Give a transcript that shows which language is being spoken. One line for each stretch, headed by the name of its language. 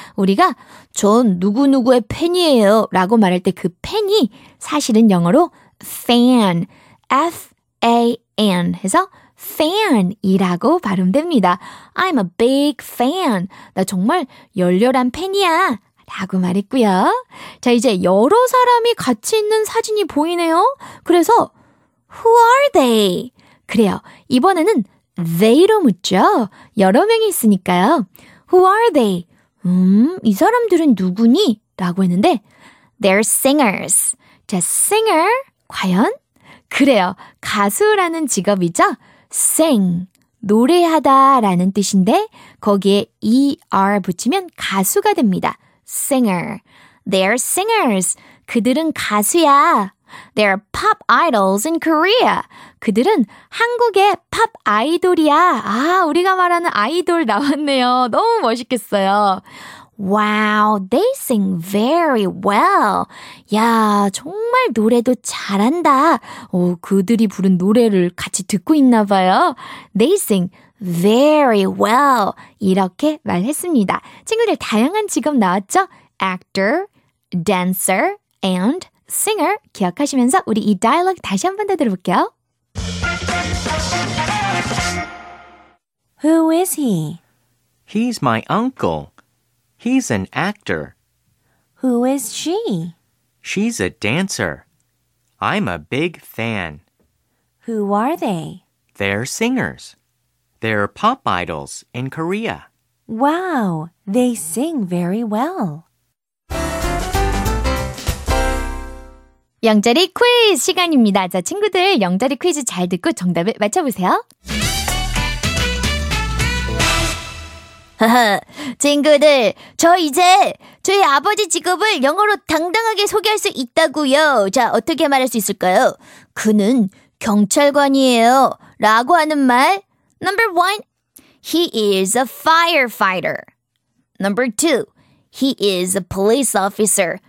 Korean: 우리가 전 누구누구의 팬이에요. 라고 말할 때 그 팬이 사실은 영어로 fan, F-A-N 해서 fan이라고 발음됩니다.
English: I'm a big fan.
Korean: 나 정말 열렬한 팬이야 라고 말했고요. 자, 이제 여러 사람이 같이 있는 사진이 보이네요. 그래서
English: who are they?
Korean: 그래요. 이번에는 they로 묻죠. 여러 명이 있으니까요.
English: Who are they?
Korean: 이 사람들은 누구니? 라고 했는데
English: they're singers.
Korean: 자, singer. 과연? 그래요. 가수라는 직업이죠? sing, 노래하다 라는 뜻인데 거기에 er 붙이면 가수가 됩니다.
English: singer, they're singers,
Korean: 그들은 가수야.
English: they're pop idols in Korea,
Korean: 그들은 한국의 pop 아이돌이야. 아, 우리가 말하는 아이돌 나왔네요. 너무 멋있겠어요.
English: Wow, they sing very well.
Korean: 야, 정말 노래도 잘한다. 오, 그들이 부른 노래를 같이 듣고 있나 봐요.
English: They sing very well.
Korean: 이렇게 말했습니다. 친구들 다양한 직업 나왔죠?
English: Actor, dancer, and singer.
Korean: 기억하시면서 우리 이 dialogue 다시 한 번 더 들어볼게요.
English: Who is he? He's my uncle. He's an actor. Who is she? She's a dancer. I'm a big fan. Who are they? They're singers. They're pop idols in Korea. Wow, they sing very well.
Korean: 영자리 퀴즈 시간입니다. 자, 친구들 영자리 퀴즈 잘 듣고 정답을 맞춰보세요. 친구들, 저 이제 저희 아버지 직업을 영어로 당당하게 소개할 수 있다고요. 자, 어떻게 말할 수 있을까요? 그는 경찰관이에요. 라고 하는 말.
English: Number one, he is a firefighter. Number two, he is a police officer.